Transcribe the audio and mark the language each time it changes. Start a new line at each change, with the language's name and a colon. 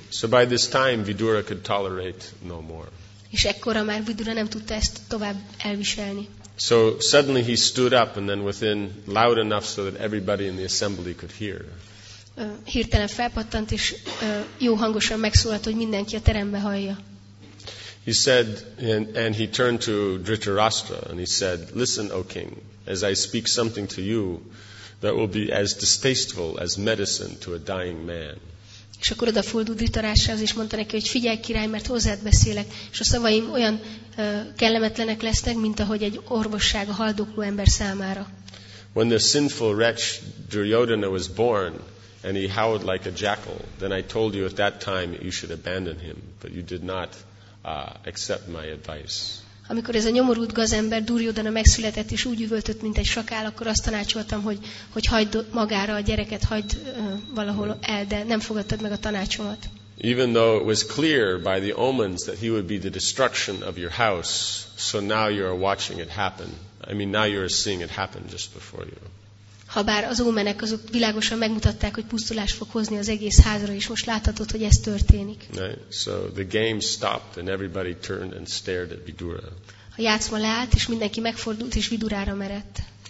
English: So by this time, Vidura could tolerate no more.
Hungarian: És ekkora már Vidura nem tudta ezt tovább elviselni.
English: So suddenly he stood up and then within loud enough so that everybody in the assembly could hear.
Hungarian: Hirtelen felpattant és jó hangosan megszólalt, hogy mindenki a teremben hallja.
English: He said and he turned to Dhritarashtra and he said, "Listen, O king, as I speak something to you that will be as distasteful as medicine to a dying man."
Hungarian: És akkor odafordult Dhritarashtrához és mondta neki, hogy figyelj király, mert hozzád beszélek, és a szavaim olyan kellemetlenek lesznek, mint ahogy egy orvosság a haldokló ember számára.
English: When the sinful wretch Duryodhana was born and he howled like a jackal, then I told you at that time you should abandon him, but you did not accept my advice.
Hungarian: Amikor ez a nyomorult gazember Duryodhana megszületett és úgy üvöltött, mint egy sakál, akkor azt tanácsoltam, hogy hagyd magára a gyereket, hagyd valahol el, de nem fogadtad meg a tanácsomat.
English: Even though it was clear by the omens that he would be the destruction of your house, so now you are watching it happen. I mean, now you are seeing it happen just before you.
Hungarian: Habár az ómenek azok világosan megmutatták, hogy pusztulás fog hozni az egész házra, és most láthatod, hogy ez történik.
English: So the game stopped and everybody turned and stared at Vidura.
Hungarian: A játszma leállt, és mindenki megfordult és Vidurára merett.